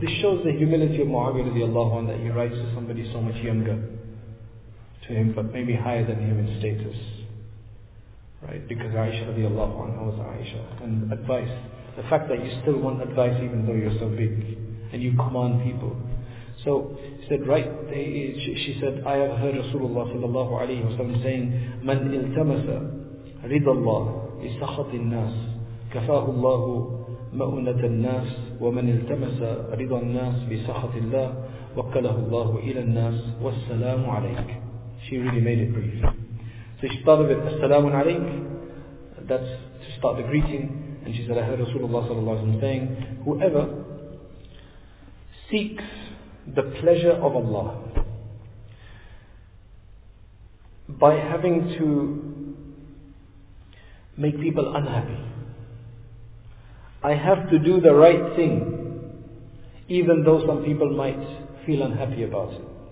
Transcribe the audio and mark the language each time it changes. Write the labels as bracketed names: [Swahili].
[English] This shows the humility of Muawiyah radiallahu anhu, that he writes to somebody so much younger to him, but maybe higher than him in status. Right? Because Aisha radiallahu anhu was Aisha. And advice, the fact that you still want advice even though you're so big, and you command people. So, he said, right, she said, I have heard Rasulullah sallallahu alayhi wa sallam saying, [Arabic] مَنْ إِلْتَمَسَ رِضَ اللَّهِ لسخط الناس كفاه الله مؤونة الناس ومن التمس رضا الناس بسخط الله وكله الله إلى الناس والسلام عليك. [English] She really made it brief. So she started with [Arabic] السلام عليك. [English] That's to start the greeting. And she said, I heard Rasulullah صلى الله عليه وسلم saying, whoever seeks the pleasure of Allah by having to make people unhappy, I have to do the right thing even though some people might feel unhappy about it.